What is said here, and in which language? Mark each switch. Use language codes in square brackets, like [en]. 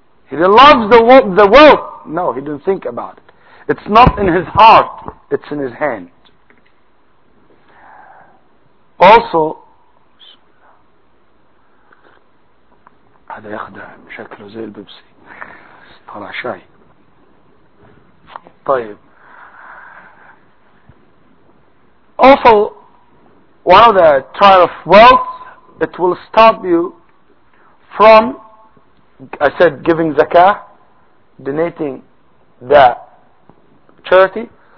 [en] He loves the world. No, he didn't think about it. It's not in his heart, it's in his hand. [ar] Also, هذا يخدع شكله زي البيبسي طلع شاي. طيب. [en] Also, one of the trial of wealth, it will stop you from, I said, giving zakah, donating the charity.